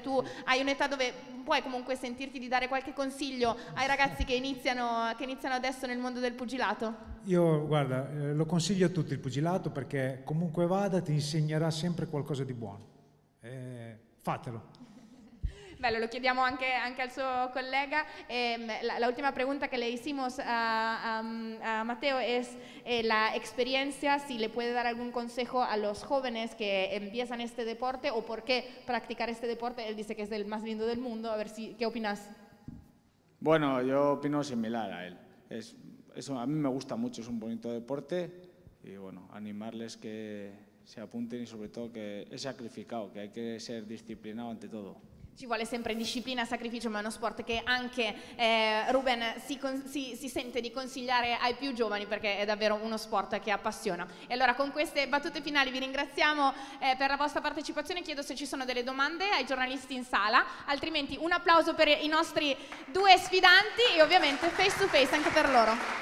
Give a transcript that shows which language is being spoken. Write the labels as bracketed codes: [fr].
[it] Tu hai un'età dove puoi comunque sentirti di dare qualche consiglio ai ragazzi che iniziano adesso nel mondo del pugilato? Io, guarda, lo consiglio a tutti il pugilato, perché comunque vada ti insegnerà sempre qualcosa di buono. Fatelo. Bello, lo chiediamo anche al suo collega. [es] La ultima pregunta che le hicimos a Mateo es, la experiencia, si le puede dar algún consejo a los jóvenes que empiezan este deporte o por qué practicar este deporte. Él dice que es el más lindo del mundo. A ver, si, ¿qué opinas? Bueno, yo opino similar a él. A mí me gusta mucho, es un bonito deporte. Y bueno, animarles que se apunten y sobre todo que es sacrificado, que hay que ser disciplinado ante todo. [it] Ci vuole sempre disciplina, sacrificio, ma è uno sport che anche Ruben si sente di consigliare ai più giovani, perché è davvero uno sport che appassiona. E allora, con queste battute finali, vi ringraziamo per la vostra partecipazione. Chiedo se ci sono delle domande ai giornalisti in sala, altrimenti un applauso per i nostri due sfidanti e ovviamente face to face anche per loro.